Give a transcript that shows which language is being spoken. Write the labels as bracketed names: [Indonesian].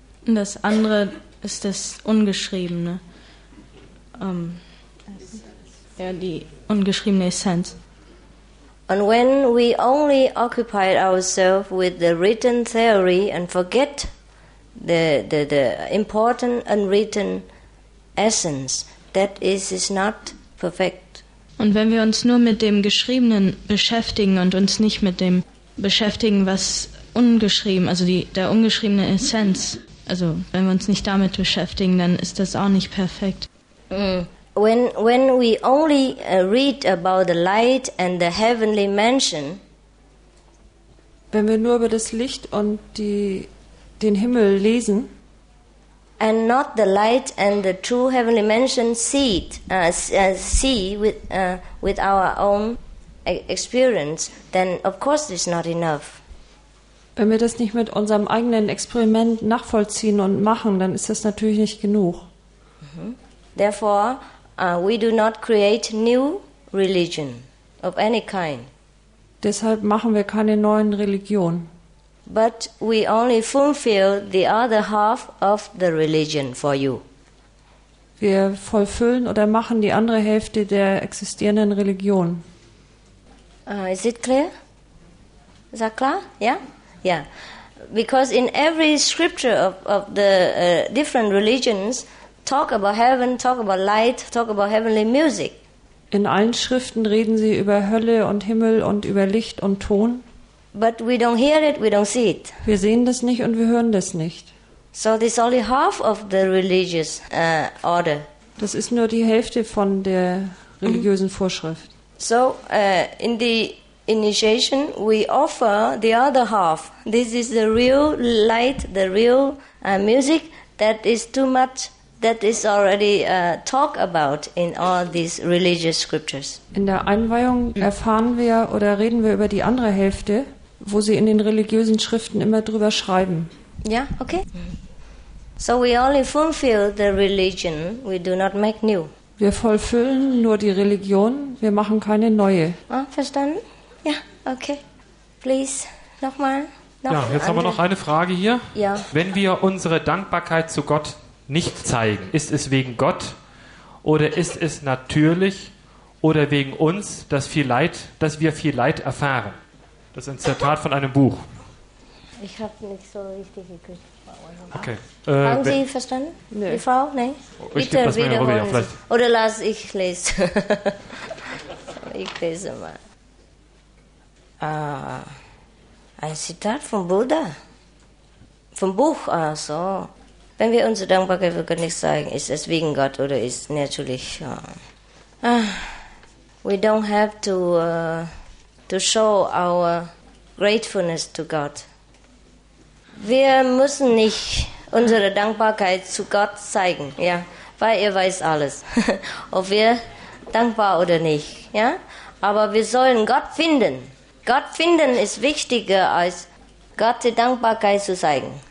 [German] Und das andere ist das Ungeschriebene. Die ungeschriebene Essenz. [English] And when we only occupy ourselves with the written theory and forget the important unwritten essence, that is not perfect. [German] Und wenn wir uns nur mit dem Geschriebenen beschäftigen und uns nicht mit dem beschäftigen, was ungeschrieben, also der ungeschriebene Essenz, also wenn wir uns nicht damit beschäftigen, dann ist das auch nicht perfekt. [English] When we only read about the light and the heavenly mansion, [German] wenn wir nur über das Licht und den Himmel lesen, [English] and not the light and the true heavenly mansion see with our own experience, then of course it's not enough. [German] Wenn wir das nicht mit unserem eigenen Experiment nachvollziehen und machen, dann ist das natürlich nicht genug. [English] Therefore, we do not create new religion of any kind. [German] Deshalb machen wir keine neuen Religionen. [English] But we only fulfill the other half of the religion for you. [German] Wir vollfüllen oder machen die andere Hälfte der existierenden Religion. [English] Is it clear? Is that clear? Yeah? Yeah. Because in every scripture of the different religions, talk about heaven, talk about light, talk about heavenly music. [German] In allen Schriften reden sie über Hölle und Himmel und über Licht und Ton. [English] But we don't hear it, we don't see it. [German] Wir sehen das nicht und wir hören das nicht. [English] So this is only half of the religious order. [German] Das ist nur die Hälfte von der religiösen Vorschrift. [English] So in the initiation we offer the other half. This is the real light, the real music that is too much. That is already talked about in all these religious scriptures. [German] In der Einweihung erfahren wir oder reden wir über die andere Hälfte, wo sie in den religiösen Schriften immer drüber schreiben. [English] Yeah, okay. So we only fulfill the religion, we do not make new. [German] Wir vollfüllen nur die Religion, wir machen keine neue. Ah, verstanden? Ja, okay. Please, nochmal. Ja, jetzt haben wir noch eine Frage hier. Ja. Wenn wir unsere Dankbarkeit zu Gott nicht zeigen. Ist es wegen Gott oder ist es natürlich oder wegen uns, dass wir viel Leid erfahren? Das ist ein Zitat von einem Buch. Ich habe nicht so richtig gekriegt. Okay. Haben Sie verstanden? Nee. Die Frau? Nein? Bitte wiederholen. Ja, oder lass ich lesen. Ich lese mal. Ein Zitat vom Buddha. Vom Buch, also. Wenn wir unsere Dankbarkeit für Gott nicht zeigen, ist es wegen Gott oder ist es natürlich. [English] We don't have to show our gratefulness to God. [German] Wir müssen nicht unsere Dankbarkeit zu Gott zeigen, ja, weil er weiß alles, ob wir dankbar oder nicht. Ja? Aber wir sollen Gott finden. Gott finden ist wichtiger, als Gott die Dankbarkeit zu zeigen.